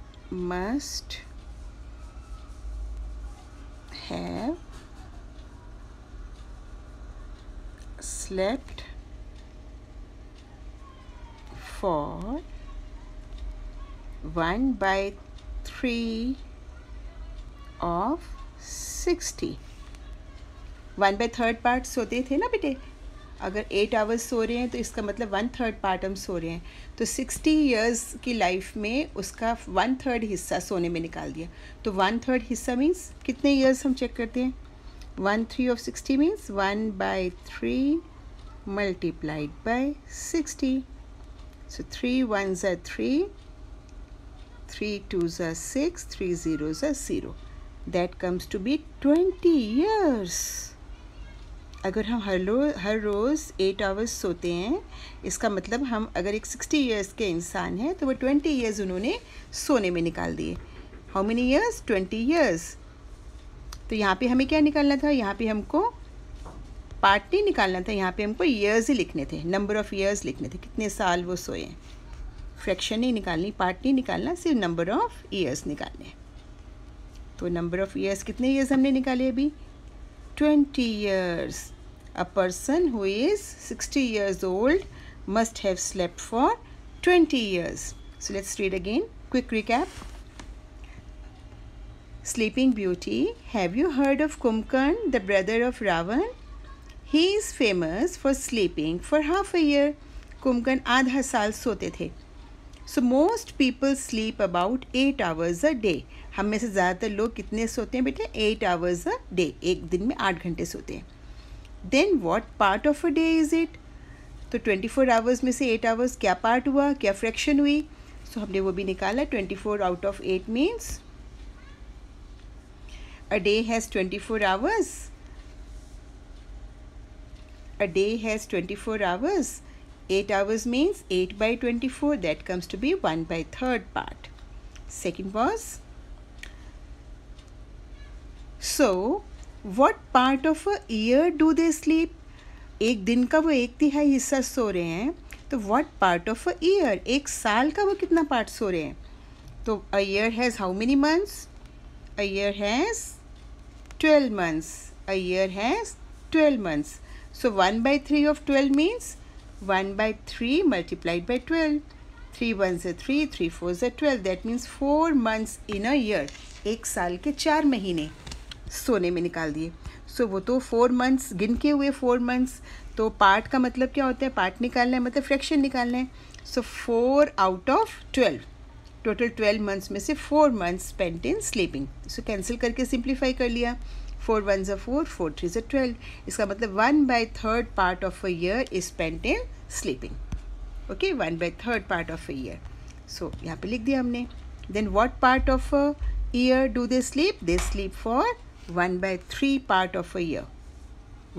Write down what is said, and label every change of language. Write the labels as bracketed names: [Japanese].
[English] must have slept for 1/3 of 60. [Hindi] 1/3 part सोते थे ना बेटे? अगर 8 hours सो रहे हैं, तो इसका मतलब 1/3 part हम सो रहे हैं. तो 60 years की life में उसका 1/3 हिस्सा सोने में निकाल दिया. तो 1/3 हिस्सा means कितने years हम check करते हैं? [English] 1/3 of 60 means 1/3 multiplied by 60. So 3 ones are 3, 3 twos are 6, 3 zeros are 0. That comes to be 20 years. [Hindi] अगर हम हर रोज़ 8 आवर्स सोते हैं, इसका मतलब हम अगर एक 60 ईयर्स के इंसान हैं तो वो 20 ईयर्स उन्होंने सोने में निकाल दिए। [English] How many years? 20 years. [Hindi] तो यहाँ पे हमें क्या निकालना था? यहाँ पे हमको पार्ट नहीं निकालना था, यहाँ पे हमको ईयर्स ही लिखने थे, नंबर ऑफ ईयर्स लिखने थे, कितने साल वो सोए। फ्रैक्शन नहीं निकालनी, पार्ट नहीं निकालना, सिर्फ नंबर ऑफ ईयर्स निकालने। तो नंबर ऑफ ईयर्स, कितने ईयर्स हमने निकाले अभी? 20 years. [English] A person who is 60 years old must have slept for 20 years. So let's read again, quick recap. Sleeping Beauty, have you heard of Kumbhakarna the brother of Ravana? He is famous for sleeping for half a year. [Hindi] Kumkan aadha saal sote the. [English] So most people sleep about 8 hours a day. [Hindi] हम में से ज़्यादातर लोग कितने सोते हैं बेटे? [English] 8 hours a day. [Hindi] एक दिन में 8 घंटे सोते हैं. [English] Then what part of a day is it? [Hindi] तो 24 hours में से 8 hours क्या पार्ट हुआ, क्या फ्रैक्शन हुई? सो हमने वो भी निकाला। [English] 24 out of 8 means a day has 24 hours. A day has 24 hours. 8 hours means 8 by 24. That comes to be 1/3 part. Second was, so what part of a year do they sleep? [Hindi] एक दिन का वो एक तिहाई हिस्सा सो रहे हैं, तो [English] what part of a year? [Hindi] एक साल का वो कितना पार्ट सो रहे हैं? [English] तो a year has how many months? A year has 12 months. A year has 12 months. So 1/3 of 12 means 1/3 multiplied by 12. 3 ones are 3, 3 fours are 12. That means 4 months in a year. [Hindi] एक साल के 4 महीने सोने में निकाल दिए। So वो तो 4 months गिन के हुए 4 months। तो पार्ट का मतलब क्या होता है? पार्ट निकालना है, मतलब फ्रैक्शन निकालना है। [English] So 4 out of 12, total 12 months में से 4 months spent in sleeping. [Hindi] So cancel करके सिंप्लीफाई कर लिया। [English] 4 ones are 4, 4 threes are 12. [Hindi] इसका मतलब [English] 1/3 part of a year is spent in sleeping. Okay, 1/3 part of a year. So [Hindi] यहाँ पे लिख दिया हमने। [English] Then what part of a year do they sleep? They sleep for 1/3 part of a year.